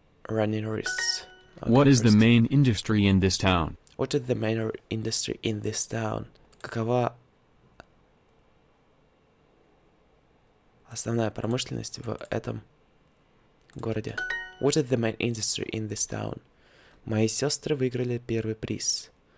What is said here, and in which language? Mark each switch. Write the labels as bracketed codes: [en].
[en] Okay, what is the main industry in this town? [ru] Какова основная промышленность в этом городе? [en] What is the main industry in this town? [ru] Мои сестры выиграли первый приз.